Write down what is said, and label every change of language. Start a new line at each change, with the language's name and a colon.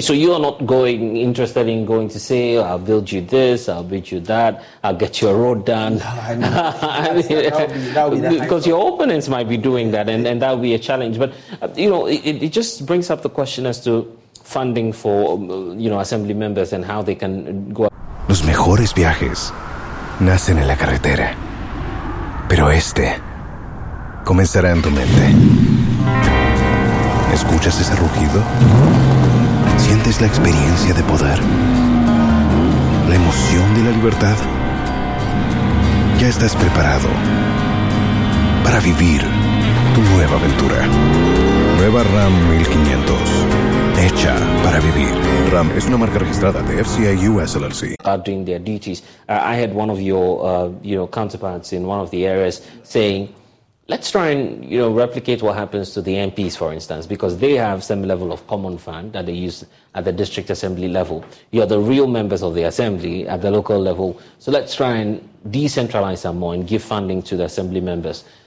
English: So you are not interested in going to say, I'll build you this, I'll build you that, I'll get your road done. Because your opponents might be doing that, and that would be a challenge. But, you know, it just brings up the question as to funding for, you know, assembly members and how they can go.
Spanish: Los mejores viajes nacen en la carretera, pero este comenzará en tu mente. ¿Escuchas ese rugido? ¿Sientes la experiencia de poder? ¿La emoción de la libertad? Ya estás preparado para vivir tu nueva aventura. Nueva Ram 1500. Hecha para vivir. Ram es una marca registrada de FCA US LLC.
English: Are doing their duties. I had one of your, you know, counterparts in one of the areas saying, let's try and, you know, replicate what happens to the MPs, for instance, because they have some level of common fund that they use at the district assembly level. You're the real members of the assembly at the local level. So let's try and decentralize some more and give funding to the assembly members.